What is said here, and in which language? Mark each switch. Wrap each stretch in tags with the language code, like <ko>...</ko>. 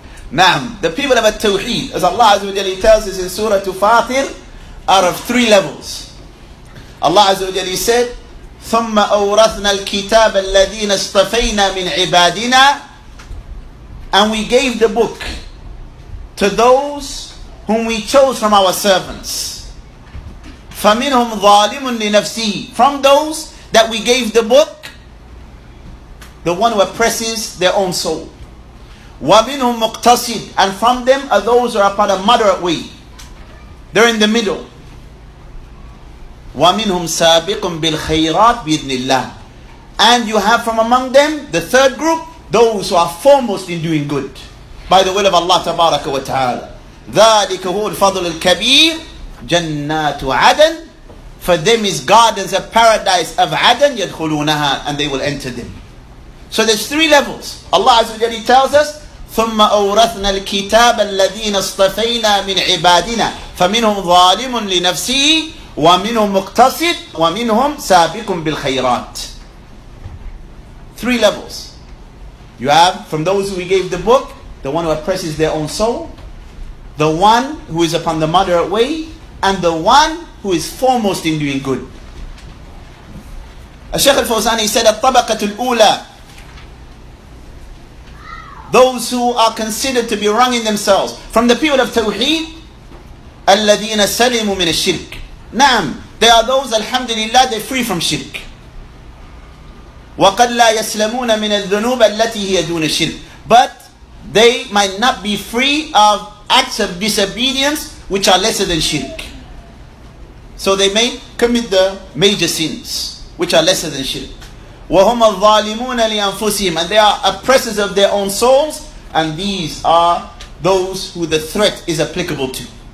<en>Naam, the people of a tawheed, as Allah Azza wa Jalla tells us in Surah Fatir, are of three levels. Allah Azza wa Jalla said,</en> <ar>ثُمَّ أَوْرَثْنَا الْكِتَابَ الَّذِينَ اصْطَفَيْنَا مِنْ عِبَادِنَا.</ar> <en>And we gave the book to those whom we chose from our servants.</en> <ar>فَمِنْهُمْ ظَالِمٌ لِنَفْسِهِ.</ar> <en>From those that we gave the book, the one who oppresses their own soul.</en> <ar>وَمِنْهُمْ مُقْتَصِدْ.</ar> <en>And from them are those who are upon a moderate way. They're in the middle.</en> <ar>وَمِنْهُمْ سَابِقٌ بِالْخَيْرَاتِ بِإِذْنِ اللَّهِ.</ar> <en>And you have from among them, the third group, those who are foremost in doing good by the will of Allah Tabaraka wa Ta'ala.</en> <ar>ذَلِكَ هُوَ الْفَضْلُ الْكَبِيرُ جَنَّاتُ عَدَنْ.</ar> <en>For them is gardens of paradise of Adan,</en> <ar>يَدْخُلُونَهَا.</ar> <en>And they will enter them. So there's three levels. Allah Azza wa Jalla tells us,</en> <ar>ثُمَّ أَوْرَثْنَا الْكِتَابَ الَّذِينَ اصْطَفَيْنَا مِنْ عِبَادِنَا فَمِنْهُمْ ظَالِمٌ لِنَفْسِهِ وَمِنْهُمْ مُقْتَصِدٌ وَمِنْهُمْ سَابِقٌ بِالْخَيْرَاتِ.</ar> <en>Three levels. You have from those who we gave the book, the one who oppresses their own soul, the one who is upon the moderate way, and the one who is foremost in doing good. الشيخ الفوزاني said</en> <ar>الطبقة الأولى,</ar> <en>those who are considered to be wronging themselves from the people of Tawheed,</en> <ar>الذين سلموا من الشرك.</ar> <en>نعم, they are those,</en> <ar>الحمد لله,</ar> <en>they're free from shirk.</en> <ar>وقد لا يسلمون من الذنوب التي هي دون الشرك.</ar> <en>But they might not be free of acts of disobedience which are lesser than shirk. So they may commit the major sins which are lesser than shirk.</en> <ar>وهم الظالمون لأنفسهم,</ar> <en>and they are oppressors of their own souls, and these are those who the threat is applicable to.</en>